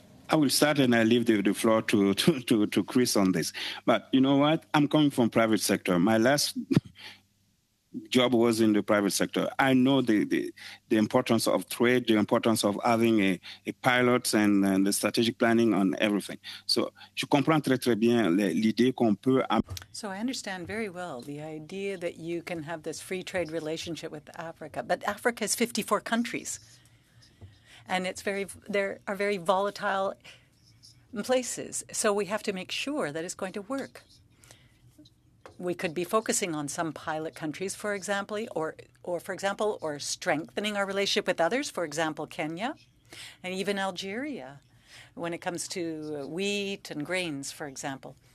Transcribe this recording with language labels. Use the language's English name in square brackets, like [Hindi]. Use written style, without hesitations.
[English] I will start and I leave the floor to Chris on this. But you know what? I'm coming from private sector. My last job was in the private sector. I know the importance of trade, the importance of having a pilot and the strategic planning on everything. [French] So je comprends très très bien l'idée qu'on peut. [English] So I understand very well the idea that you can have this free trade relationship with Africa, but Africa is 54 countries, and there are very volatile places. So we have to make sure that it's going to work. We could be focusing on some pilot countries, for example, or strengthening our relationship with others, for example, Kenya, and even Algeria, when it comes to wheat and grains, for example.